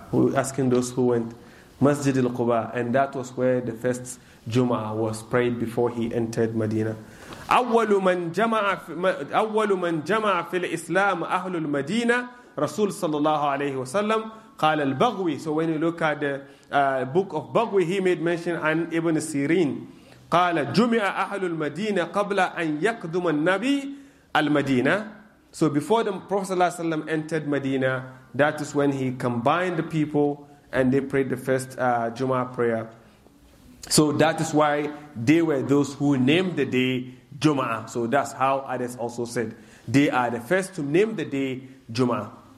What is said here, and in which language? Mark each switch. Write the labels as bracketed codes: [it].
[en] We're asking those who went Masjid al-Quba, and that was where the first Jumu'ah was prayed before he entered Medina. [ar] أول من جمع في الإسلام أهل المدينة رسول صلى الله عليه وسلم قال البغوي. [en] So when you look at the book of Baghwi, he made mention on Ibn Sirin. [ar] قال جمع أهل المدينة قبل أن يقدم النبي المدينة. [en] So before the Prophet صلى الله عليه وسلم entered Medina, that is when he combined the people and they prayed the first Jumu'ah prayer. So that is why they were those who named the day Jumu'ah. So that's how others also said. They are the first to name the day Jumu'ah.